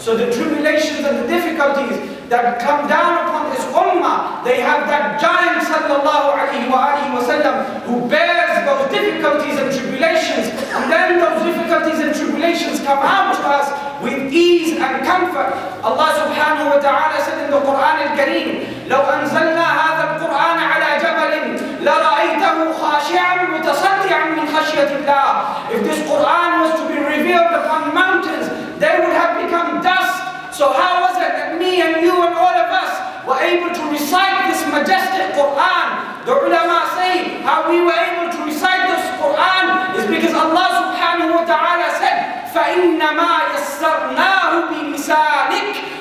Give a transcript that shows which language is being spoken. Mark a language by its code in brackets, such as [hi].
[en] So the tribulations and the difficulties that come down upon this ummah, they have that giant sallallahu alayhi wa alihi wa sallam who bears those difficulties and tribulations, and then those difficulties and tribulations come out to us with ease and comfort. Allah subhanahu wa ta'ala said in the Quran al-Kareem, [ar] لو أنزلنا هذا القرآن على جبل لرأيته خاشعا متصدعا من خشية الله. [en] If this Quran was to be revealed upon mountains, they would have become dust. So how was it that me and you and all of us were able to recite this majestic Quran? The ulama say how we were able to recite this Quran is because Allah subhanahu wa ta'ala said, [ar] فَإِنَّمَا يَسَّرْنَاهُ بِمِسَانِكَ.